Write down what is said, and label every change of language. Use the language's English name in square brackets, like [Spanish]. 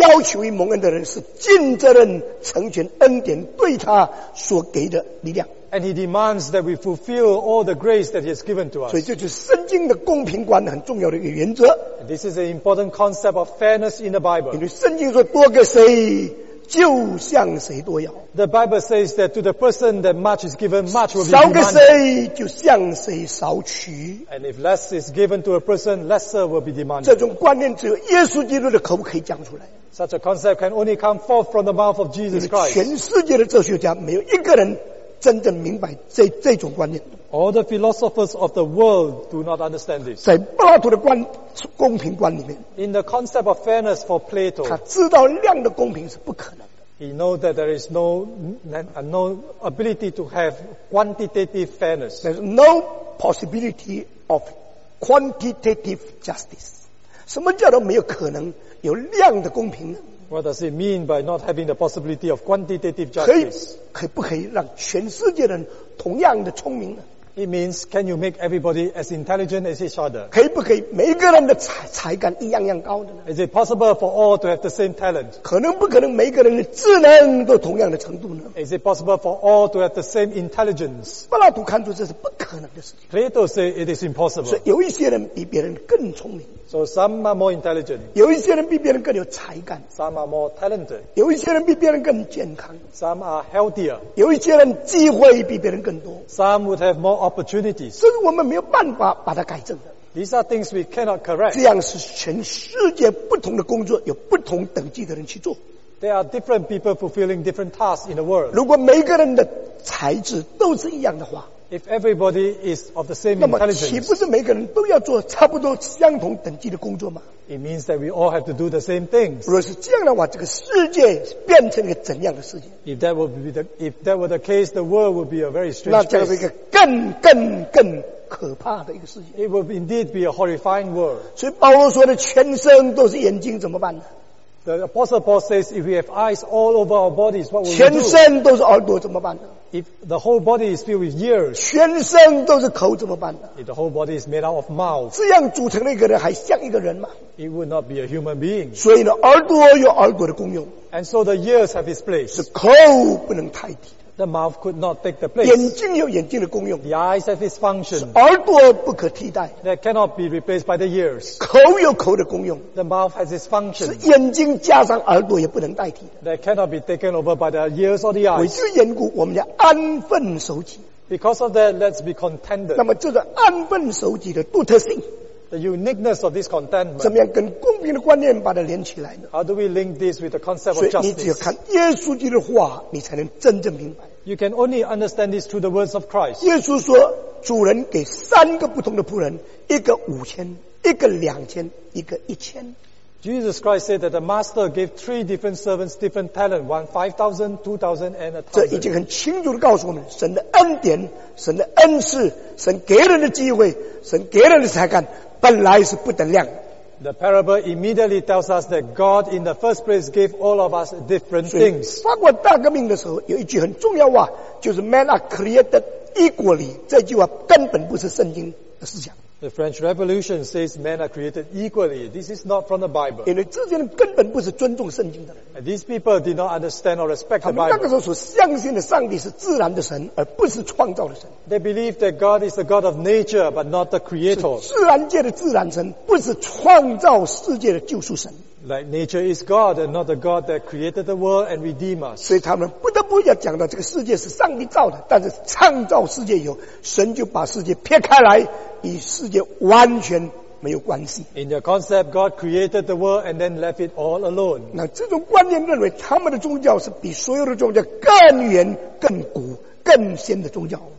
[Chinese] 要求于蒙恩的人是尽责任成全恩典对他所给的力量。 [English] And He demands that we fulfill all the grace that He has given to us. [Chinese] 所以这就是圣经的公平观很重要的一个原则。 [English] This is an important concept of fairness in the Bible. [Chinese] 因为圣经说多给谁。就像谁多要。 [English] The Bible says that to the person that much is given, much will be demanded. [Chinese] 少给谁，就向谁少取。 [English] And if less is given to a person, lesser will be demanded. [Chinese] 这种观念只有耶稣基督的口可以讲出来。 [English] Such a concept can only come forth from the mouth of Jesus Christ. [Chinese] 全世界的哲学家没有一个人真正明白这种观念。 [English] All the philosophers of the world do not understand this. [Chinese] 在柏拉图的公平观里面 [English] ，In the concept of fairness for Plato, [Chinese] 他知道量的公平是不可能的。 [English] He knows that there is no ability to have quantitative fairness. There's no possibility of quantitative justice. [Chinese] 什么叫做没有可能有量的公平呢？ [English] What does it mean by not having the possibility of quantitative justice? [Chinese] 可以不可以让全世界人同样的聪明呢 [English] It means, can you make everybody as intelligent as each other? [Chinese] 可以不可以每个人的才干一样样高的呢？ [English] Is it possible for all to have the same talent? [Chinese] 可能不可能每个人的智能都同样的程度呢？ [English] Is it possible for all to have the same intelligence? [Chinese] 柏拉图看出这是不可能的事情。 [English] Plato say it is impossible. [Chinese] 所以有一些人比别人更聪明。 [English] So some are more intelligent. [Chinese] 有一些人比别人更有才干。 [English] Some are more talented. [Chinese] 有一些人比别人更健康。 [English] Some are healthier. [Chinese] 有一些人机会比别人更多。 [English] Some would have more opportunities. [Chinese] 这是我们没有办法把它改正的。 [English] These are things we cannot correct. [Chinese] 这样是全世界不同的工作，有不同等级的人去做。 [English] There are different people fulfilling different tasks in the world. [Chinese] 如果每个人的才智都是一样的话， [English] If everybody is of the same intelligence, [Chinese] 那么岂不是每个人都要做差不多相同等级的工作吗？ [English] It means that we all have to do the same things. [Chinese] 如果是这样的话，这个世界变成一个怎样的世界？ [English] If that were the case, the world would be a very strange place. [Chinese] 那将是一个更可怕的一个世界。 [English] It would indeed be a horrifying world. [Chinese] 所以保罗说的全身都是眼睛怎么办呢？ [English] The Apostle Paul says, if we have eyes all over our bodies, what will we do? [Chinese] 全身都是耳朵怎么办呢？ [English] If the whole body is filled with ears, [Chinese] 全身都是口怎么办呢？ [English] If the whole body is made out of mouth, [Chinese] 这样组成的一个人还像一个人吗？ [English] It would not be a human being. [Chinese] 所以呢，耳朵有耳朵的功用。 [English] And so the ears have its place. [Chinese] 是口不能太低。 [English] The mouth could not take the place. [Chinese] 眼睛有眼睛的功用。 [English] The eyes have its function. [Chinese] 是耳朵不可替代。 [English] That cannot be replaced by the ears. [Chinese] 口有口的功用。 [English] The mouth has its function. [Chinese] 是眼睛加上耳朵也不能代替的。 [English] That cannot be taken over by the ears or the eyes. [Chinese] 为这个缘故，我们要安分守己。 [English] Because of that, let's be contented. [Chinese] 那么这个安分守己的独特性。 [English] The uniqueness of this contentment. [Chinese] 怎么样跟公平的观念把它连起来呢？ [English] How do we link this with the concept of justice? [Chinese] 所以你只有看耶稣基督的话，你才能真正明白。 [English] You can only understand this through the words of Christ. [Chinese] 耶稣说，主人给三个不同的仆人，一个五千，一个两千，一个一千。 [English] Jesus Christ said that the master gave three different servants different talent, one 5,000, 2,000, and a [Chinese] 1,000. 这已经很清楚地告诉我们，神的恩典、神的恩赐、神给人的机会、神给人的才干，本来是不等量。 [English] The parable immediately tells us that God in the first place gave all of us different things. [Chinese] 法国大革命的时候有一句很重要话，就是 [English] "Men are created equally." [Chinese] 这句话根本不是圣经的思想。 [English] The French Revolution says men are created equally. This is not from the Bible. [Chinese] 因为这些人根本不是尊重圣经的人。 [English] And these people did not understand or respect the Bible. [Chinese] 他们那个时候所相信的上帝是自然的神，而不是创造的神。 [English] They believe that God is the God of nature, but not the creator. [Chinese] 是自然界的自然神，不是创造世界的救赎神。 [English] Like nature is God and not the God that created the world and redeemed us. [Chinese] 所以他们不得不要讲到这个世界是上帝造的，但是创造世界以后，神就把世界撇开来，与世界完全没有关系。 [English] In their concept, God created the world and then left it all alone. [Chinese] 那这种观念认为他们的宗教是比所有的宗教更远、更古、更先的宗教。